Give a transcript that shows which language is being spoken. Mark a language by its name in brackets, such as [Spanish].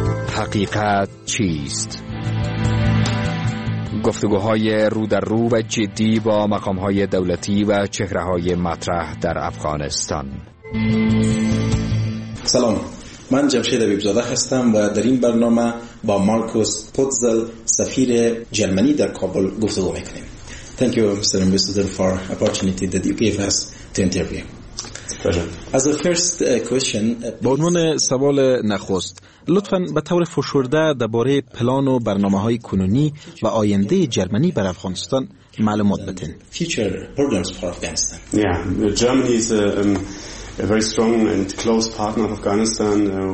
[Persian] حقیقت چیست؟ گفتگوهای رو در رو و جدی با مقامهای دولتی و چهرههای مطرح در افغانستان. سلام، من جمشید بیبزاده هستم و در این برنامه با مارکوس پوتزل سفیر جرمنی در کابل گفتگو میکنیم. [English] Thank you, Mr. Ambassador, for the opportunity that you gave us to interview. Pleasure. As a first question, [Persian] با عنوان سوال نخست، لطفاً به طور فشرده درباره پلان و برنامه‌های کنونی و آینده جرمنی بر افغانستان معلومات بدین. [English] Future programs for Afghanistan. Yeah, Germany is a very strong and close partner of Afghanistan.